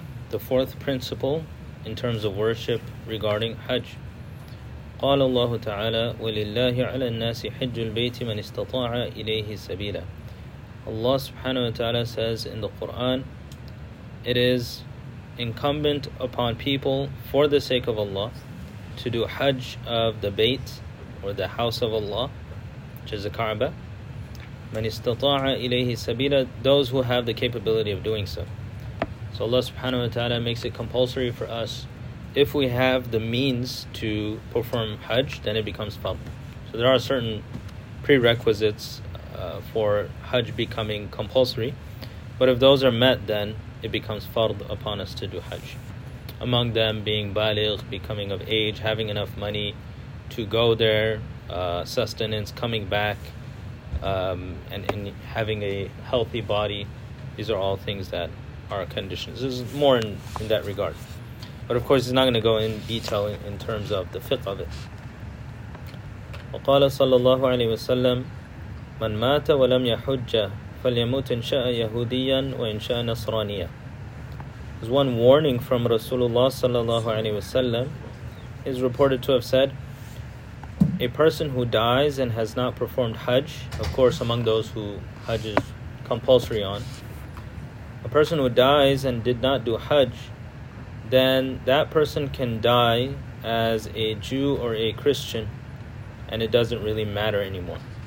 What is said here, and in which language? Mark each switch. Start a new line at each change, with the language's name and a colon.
English: The fourth principle in terms of worship regarding Hajj.
Arabic: قال الله تعالى وللله على الناس حج البيت من استطاع إليه سبيلا.
English: Allah subhanahu wa ta'ala says in the Quran, it is incumbent upon people for the sake of Allah to do Hajj of the Bayt or the house of Allah, which is the Kaaba.
Arabic: من استطاع إليه سبيلا,
English: those who have the capability of doing so. So Allah subhanahu wa ta'ala makes it compulsory for us. If we have the means to perform Hajj, then it becomes fard. So there are certain prerequisites for Hajj becoming compulsory. But if those are met, then it becomes fard upon us to do Hajj. Among them being baligh, becoming of age, having enough money to go there, sustenance, coming back, and having a healthy body. These are all things that are conditions. This is more in that regard. But of course, it's not going to go in detail in terms of the fiqh of it.
Arabic: وقال صلى الله عليه وسلم من مات ولم يحج فليموت إن شاء يهوديا وإن شاء نصرانيا.
English: There's one warning from Rasulullah
Arabic: صلى الله عليه وسلم.
English: He's reported to have said, a person who dies and has not performed Hajj, of course among those who Hajj is compulsory on, a person who dies and did not do Hajj, then that person can die as a Jew or a Christian and it doesn't really matter anymore.